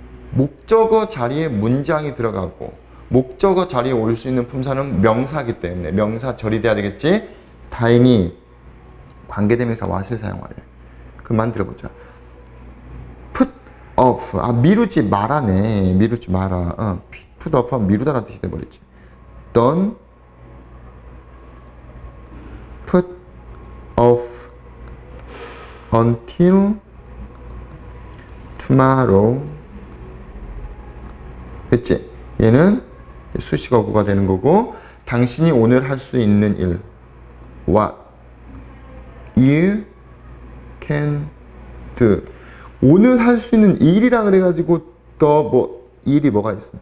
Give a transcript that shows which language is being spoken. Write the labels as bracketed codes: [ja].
[ko] 목적어 자리에 문장이 들어가고, 목적어 자리에 올 수 있는 품사는 명사기 때문에 명사절이 돼야 되겠지? 다행히 관계대명사 what을 사용하래. 그럼 만들어보자. put off. 아, 미루지 마라네. 미루지 마라. 어, put off 하면 미루다라는 뜻이 돼버리지. [en] don't put off until tomorrow. [ko] 됐지? 얘는 수식어구가 되는 거고, 당신이 오늘 할 수 있는 일. [en] What you can do. [ko] 오늘 할 수 있는 일이라 그래가지고, 더 뭐, 일이 뭐가 있어.